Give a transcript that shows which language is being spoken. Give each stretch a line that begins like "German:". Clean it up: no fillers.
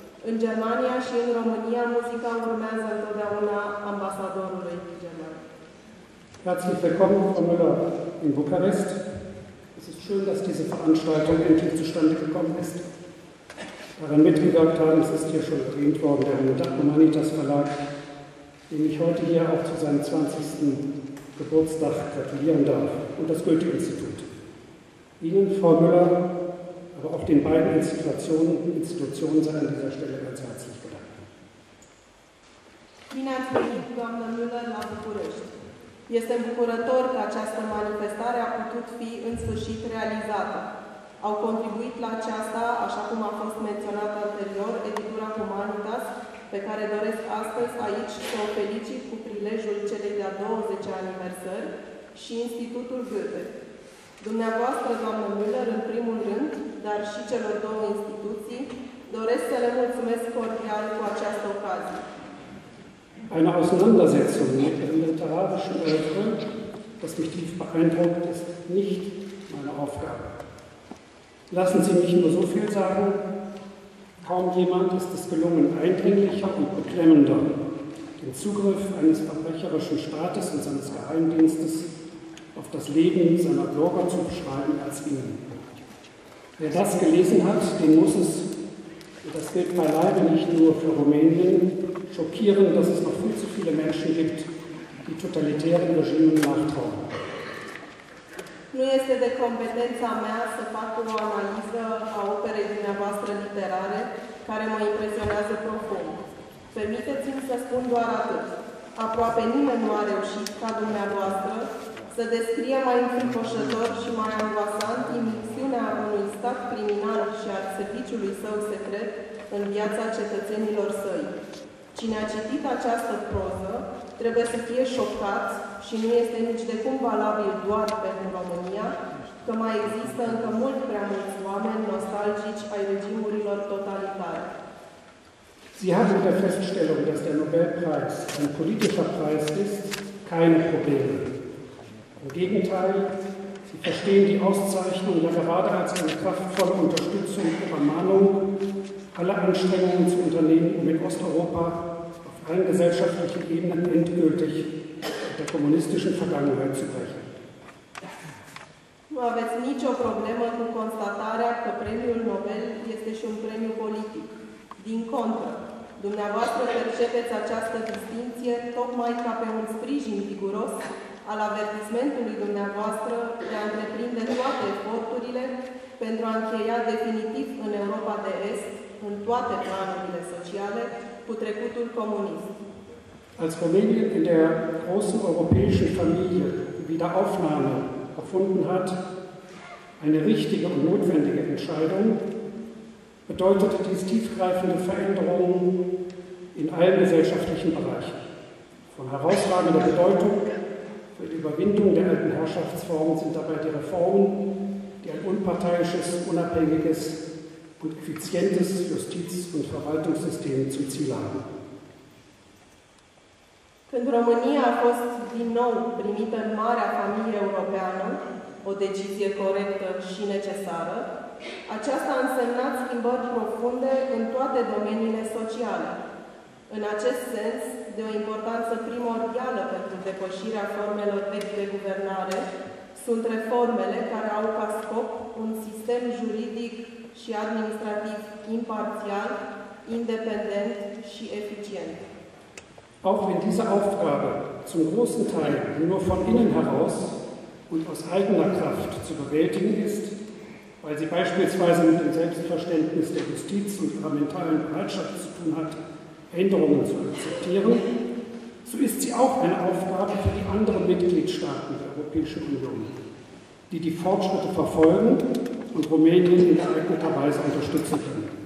Romanian: În Germania și în România muzica urmează întotdeauna ambasadorului din Germania.
German: Herzlich willkommen, Frau Müller, in Bukarest. Es ist schön, dass diese Veranstaltung endlich zustande gekommen ist. Daran mitgewirkt haben, es ist hier schon erwähnt worden, der Humanitas Verlag, dem ich heute hier auch zu seinem 20. Geburtstag gratulieren darf, und das Goethe-Institut. Ihnen, Frau Müller, aber auch den beiden Institutionen sei an dieser Stelle ganz herzlich gedankt. Vielen Dank, Frau Müller,
Romanian: la București. Este bucurător că această manifestare a putut fi în sfârșit realizată. Au contribuit la aceasta, așa cum a fost menționat anterior, editura Humanitas, pe care doresc astăzi aici să o felicit cu prilejul celei de-a 20-a aniversări și Institutul Goethe. Dumneavoastră, doamnă Müller, în primul rând, dar și celor două instituții, doresc să le mulțumesc cordial cu această ocazie.
German: Eine Auseinandersetzung mit dem literarischen Oeuvre, das mich tief beeindruckt, ist nicht meine Aufgabe. Lassen Sie mich nur so viel sagen, kaum jemand ist es gelungen, eindringlicher und beklemmender den Zugriff eines verbrecherischen Staates und seines Geheimdienstes auf das Leben seiner Bürger zu beschreiben als Ihnen. Wer das gelesen hat, den muss es, und das gilt beileibe nicht nur für Rumänien, schockieren, dass es noch viel zu viele Menschen gibt, die totalitären Regimen nachtrauen.
Romanian: Nu este de competența mea să fac o analiză a operei dumneavoastră literare care mă impresionează profund. Permiteți-mi să spun doar atât. Aproape nimeni nu a reușit, ca dumneavoastră, să descrie mai înfricoșător și mai angoasant imixiunea unui stat criminal și a serviciului său secret în viața cetățenilor săi. Cine a citit această proză trebuie să fie șocat și nu este nici de cum valabil doar pentru România, că mai există încă mult prea mulți oameni nostalgici ai regimurilor totalitare.
German: Sie haben der Feststellung, dass der Nobelpreis ein politischer Preis ist, kein Problem. Im Gegenteil, Sie verstehen die Auszeichnung ja gerade als eine kraftvolle Unterstützung und Ermahnung, alle Anstrengungen zu unternehmen, um in Osteuropa auf allen gesellschaftlichen Ebenen endgültig mit der kommunistischen Vergangenheit zu brechen.
Romanian: Nu aveți nicio problemă cu constatarea că premiul Nobel este și un premiu politic. Din contră, dumneavoastră percepeți această distinție tocmai ca pe un sprijin figuros al avertismentului dumneavoastră de a întreprinde toate eforturile pentru a încheia definitiv în Europa de Est în toate planurile sociale, cu trecutul comunist.
German: Als Rumänien in der großen europäischen Familie Wiederaufnahme erfunden hat, eine richtige und notwendige Entscheidung, bedeutete dies tiefgreifende Veränderungen in allen gesellschaftlichen Bereichen. Von herausragender Bedeutung für die Überwindung der alten Herrschaftsformen sind dabei die Reformen, die ein unparteiisches, unabhängiges und effizientes Justiz- und Verwaltungssystem zum Ziel haben.
Romanian: Când România a fost din nou primită în marea familie europeană, o decizie corectă și necesară, aceasta a însemnat schimbări profunde în toate domeniile sociale. În acest sens, de o importanță primordială pentru depășirea formelor vechi de guvernare, sunt reformele care au ca scop un sistem juridic și administrativ imparțial, independent și eficient.
German: Auch wenn diese Aufgabe zum großen Teil nur von innen heraus und aus eigener Kraft zu bewältigen ist, weil sie beispielsweise mit dem Selbstverständnis der Justiz und ihrer mentalen Bereitschaft zu tun hat, Änderungen zu akzeptieren, so ist sie auch eine Aufgabe für die anderen Mitgliedstaaten der Europäischen Union, die die Fortschritte verfolgen und Rumänien in geeigneter Weise unterstützen können.